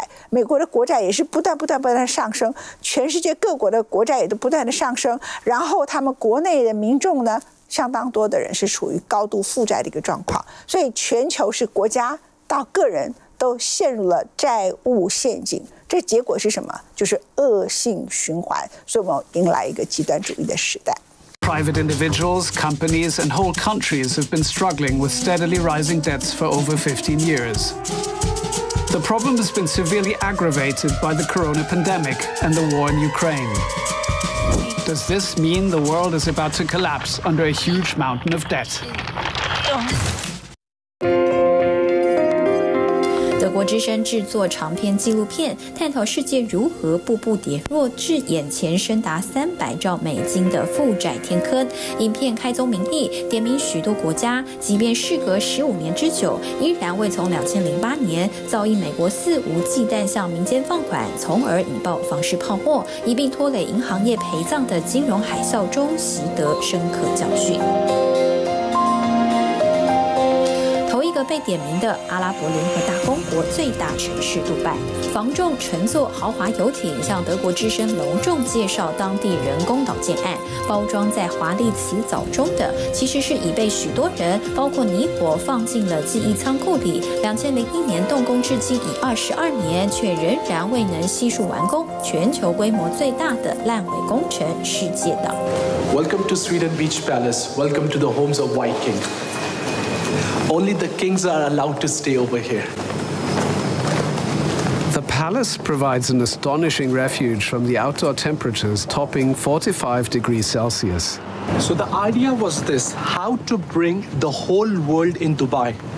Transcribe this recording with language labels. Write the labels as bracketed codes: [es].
[zh] 美国的国债也是不断上升，全世界各国的国债也都不断的上升，然后他们国内的民众呢，相当多的人是处于高度负债的一个状况，所以全球是国家到个人都陷入了债务陷阱，这结果是什么？就是恶性循环，所以我们迎来一个极端主义的时代。 [en] Private individuals, companies, and whole countries have been struggling with steadily rising debts for over 15 years. The problem has been severely aggravated by the corona pandemic and the war in Ukraine. Does this mean the world is about to collapse under a huge mountain of debt? [zh] 德国之声制作长篇纪录片，探讨世界如何步步跌落至眼前深达300兆美金的负债天坑。影片开宗明义，点名许多国家，即便事隔15年之久，依然未从2008年造诣美国肆无忌惮向民间放款，从而引爆房市泡沫，一并拖累银行业陪葬的金融海啸中，习得深刻教训。被点名的阿拉伯联合大公国最大城市杜拜，房仲乘坐豪华游艇向德国之声隆重介绍当地人工岛建案，包装在华丽辞藻中的其实是已被许多人包括你我放进了记忆仓库里，2001年动工至今已22年，却仍然未能悉数完工，全球规模最大的烂尾工程世界岛。 [en] Welcome to Sweden Beach Palace. Welcome to the homes of Viking. Only the kings are allowed to stay over here. The Palace provides an astonishing refuge from the outdoor temperatures topping 45 degrees Celsius. So the idea was this, how to bring the whole world in Dubai.